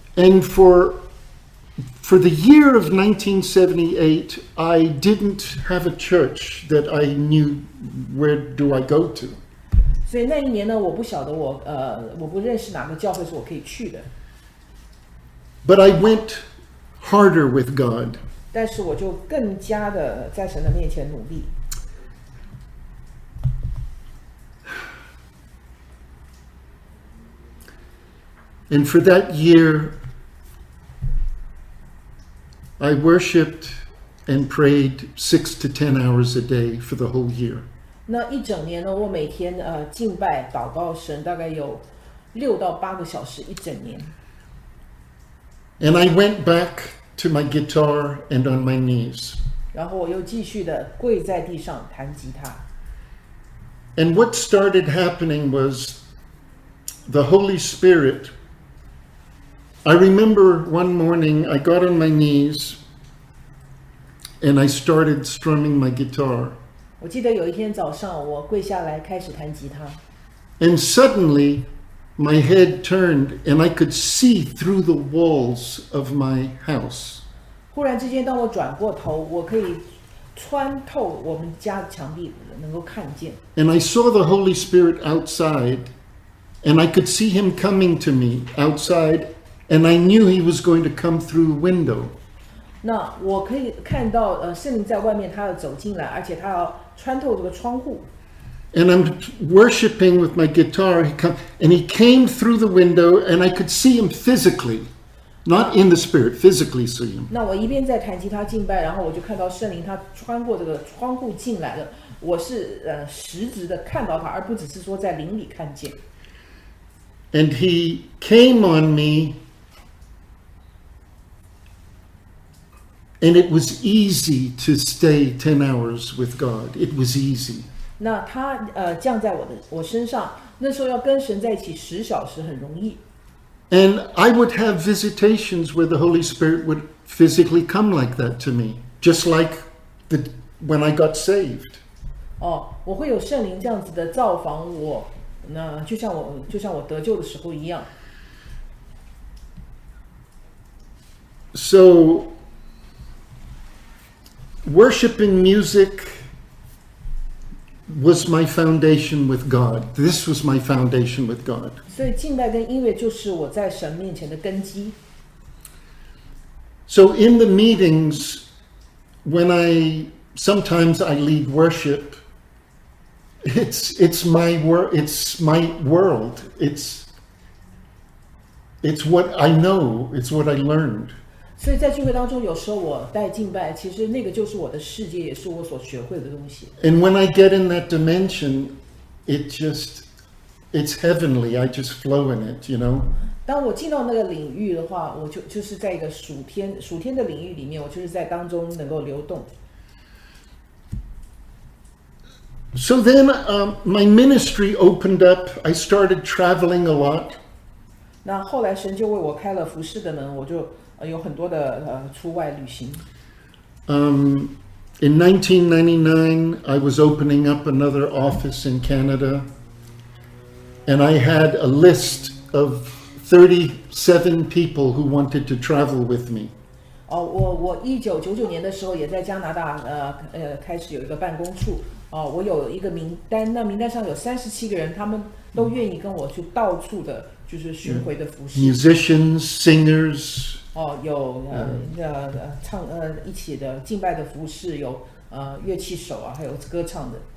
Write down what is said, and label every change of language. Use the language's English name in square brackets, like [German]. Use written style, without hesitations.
[English] And for the year of 1978, I didn't have a church that I knew where do I go to. [Chinese] 所以那一年呢，我不晓得我不认识哪个教会是我可以去的。 [English] But I went harder with God. [Chinese] 但是我就更加的在神的面前努力。 [English] And for that year, I worshipped and prayed 6 to 10 hours a day for the whole year. [Chinese] 那一整年呢，我每天敬拜祷告神大概有6到8个小时一整年。 [English] And I went back to my guitar and on my knees. [Chinese] 然后我又继续的跪在地上弹吉他。 [English] And what started happening was the Holy Spirit. I remember one morning I got on my knees and I started strumming my guitar. [Chinese] 我记得有一天早上我跪下来开始弹吉他。 [English] And suddenly my head turned and I could see through the walls of my house. [Chinese] 忽然之间当我转过头我可以穿透我们家的墙壁能够看见。 [English] And I saw the Holy Spirit outside and I could see him coming to me outside. And I knew he was going to come through the window. [Chinese] 那我可以看到圣灵在外面他要走进来而且他要穿透这个窗户。 [English] And I'm worshiping with my guitar. And he came through the window and I could see him physically. Not in the spirit, physically see him. [Chinese] 那我一边在弹吉他敬拜然后我就看到圣灵他穿过这个窗户进来了。我是实质的看到他而不只是说在灵里看见。 [English] And he came on me, and it was easy to stay 10 hours with God. It was easy. [Chinese] 那他降在我身上，那时候要跟神在一起十小时很容易。 [English] And I would have visitations where the Holy Spirit would physically come like that to me, just like when I got saved. [Chinese] 哦，我会有圣灵这样子的造访我。那就像我得救的时候一样。 [English] So, worship and music was my foundation with God. This was my foundation with God. [Chinese] 所以敬拜跟音乐就是我在神面前的根基。 [English] So in the meetings, when sometimes I lead worship,It's my world. It's what I know. It's what I learned. [Chinese] 所以在聚会当中，有时候我带敬拜，其实那个就是我的世界，也是我所学会的东西。 [English] And when I get in that dimension, it's heavenly. I just flow in it. You know. [Chinese] 当我进到那个领域的话，我就是在一个属天的领域里面，我就是在当中能够流动。 [English] So then my ministry opened up. I started traveling a lot. [Chinese] 那后来神就为我开了服事的门，我就有很多的出外旅行。 [English] In 1999, I was opening up another office in Canada. And I had a list of 37 people who wanted to travel with me. [Chinese] 哦，我1999年的时候也在加拿大开始有一个办公处。哦，我有一个名单，那名单上有37个人，他们都愿意跟我去到处的，就是巡回的服侍。 [English] Musicians, singers. [Chinese] 哦，有唱一起的敬拜的服侍，有乐器手啊，还有歌唱的。